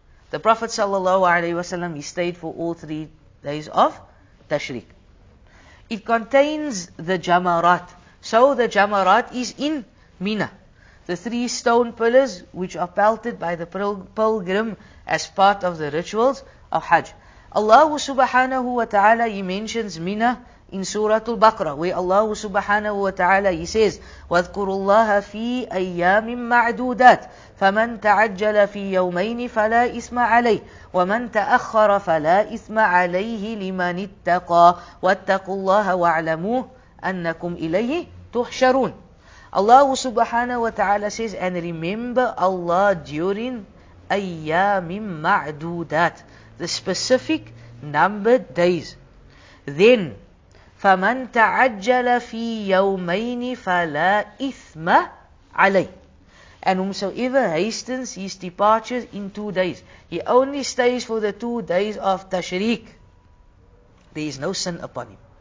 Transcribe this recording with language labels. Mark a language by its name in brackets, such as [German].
[English] The Prophet sallallahu alaihi wasallam, he stayed for all 3 days of Tashriq. It contains the Jamarat. So the Jamarat is in Mina. The 3 stone pillars which are pelted by the pilgrim as part of the rituals of Hajj. Allah subhanahu wa ta'ala, he mentions Mina in Surah Al-Baqarah, where Allah subhanahu wa ta'ala, he says, [Arabic] وَاذْكُرُوا اللَّهَ فِي أَيَّامٍ مَعْدُودَاتٍ فَمَنْ تَعَجَّلَ فِي يَوْمَيْنِ فَلَا إِثْمَ عَلَيْهِ وَمَنْ تَأَخَّرَ فَلَا إِثْمَ عَلَيْهِ لِمَنِ اتَّقَى وَاتَّقُوا اللَّهَ وَاعْلَمُوا أَنَّكُمْ إِلَيْهِ تُحْشَرُونَ. [English] Allah subhanahu wa ta'ala says, and remember Allah during [Arabic] أَيَّامٍ مَعْدُودَاتٍ, [English] the specific numbered days. Then, [Arabic] فَمَنْ تَعَجَّلَ فِي يَوْمَيْنِ فَلَا إِثْمَ عَلَيْهِ, [English] and whomsoever hastens his departure in 2 days, he only stays for the 2 days of Tashriq, there is no sin upon him.